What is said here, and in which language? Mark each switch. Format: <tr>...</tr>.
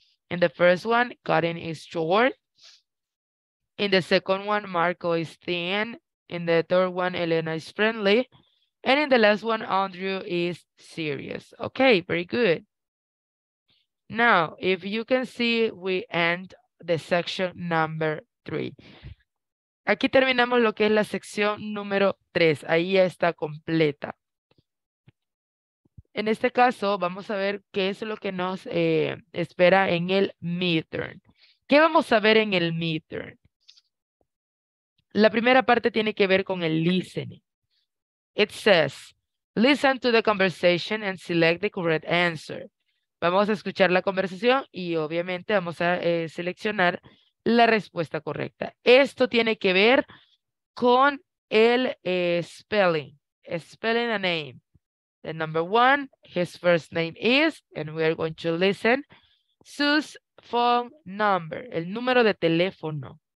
<en>In the first one, Karen is short. In the second one, Marco is thin. In the third one, Elena is friendly. And in the last one, Andrew is serious. Okay, very good. Now, if you can see, we end the section number three.</en> <es>Aquí terminamos lo que es la sección número tres. Ahí ya está completa. En este caso, vamos a ver qué es lo que nos espera en el midterm. ¿Qué vamos a ver en el midterm? La primera parte tiene que ver con el listening.</es> <en>It says, listen to the conversation and select the correct answer.</en> <es>Vamos a escuchar la conversación y obviamente vamos a seleccionar la respuesta correcta. Esto tiene que ver con el spelling.</es> <en>Spelling a name. The number one, his first name is, and we are going to listen, Sue's phone number,</en> <es>el número de teléfono.</es>